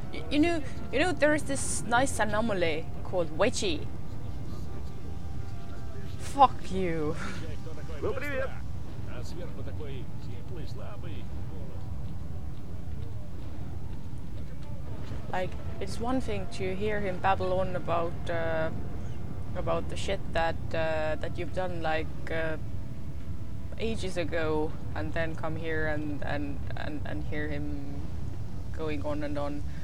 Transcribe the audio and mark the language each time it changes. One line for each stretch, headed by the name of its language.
English: You know, there is this nice anomaly called Wedgie. Fuck you.
Russian: Ну, привет. А сверху такой теплый, слабый.
English: Like, it's one thing to hear him babble on about the shit that you've done ages ago, and then come here and hear him going on and on.